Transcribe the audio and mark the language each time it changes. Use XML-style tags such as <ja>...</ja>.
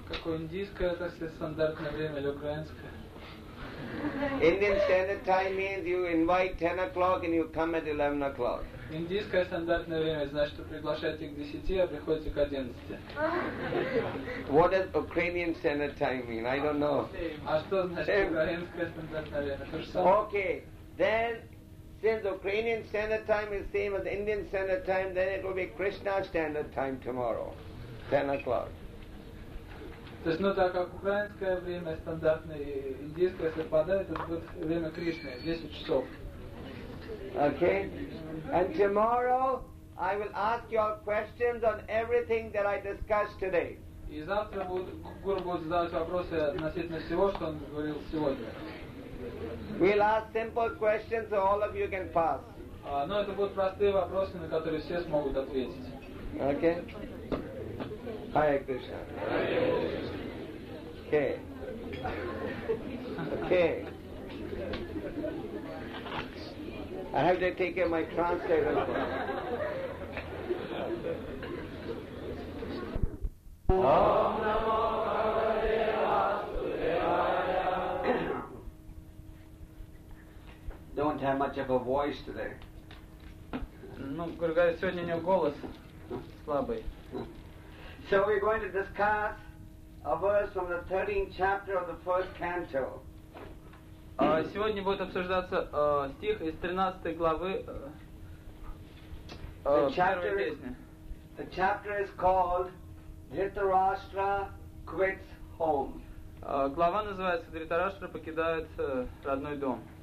<ru>Какое индийское, так сказать, стандартное время или украинское?</ru> <en>Indian standard time means you invite 10 o'clock and you come at 11 o'clock.</en> <ru>Индийское стандартное время значит, что приглашаете к 10, а приходите к 11.</ru> <en>What does Ukrainian standard time mean? I don't know.</en> <ru>А что значит украинское стандартное время? То же самое.</ru> <en>Okay, then. Since Ukrainian standard time is same as Indian standard time, then it will be Krishna standard time tomorrow, 10 o'clock.</en> <ru>То есть, ну так как украинское время стандартное, индийское совпадает, это будет время Кришны, 10 часов. Okay.</ru> <en>And tomorrow I will ask your questions on everything that I discussed today.</en> <ru>И завтра Гуру будет задавать вопросы относительно всего, что он говорил сегодня.</ru> <en>We'll ask simple questions so all of you can pass.</en> <ru>Но это будут простые вопросы, на которые все смогут ответить.</ru> <en>Okay. Hare Krishna. Okay. Okay. I have to take care of my translator.</en> <sa>Om Namo Bhagavate Vasudevaya.</sa> <en>Don't have much of a voice today.</en> <ru>Ну, Гургай, сегодня у него голос слабый.</ru> <en>So we're going to discuss a verse from the 13th chapter of the first canto.</en> <ru>Сегодня будет обсуждаться стих из 13 главы первой песни.</ru> <en>The chapter is called Dhritarashtra Quits Home.</en> <ru>Глава называется Дхритараштра покидает родной дом.</ru>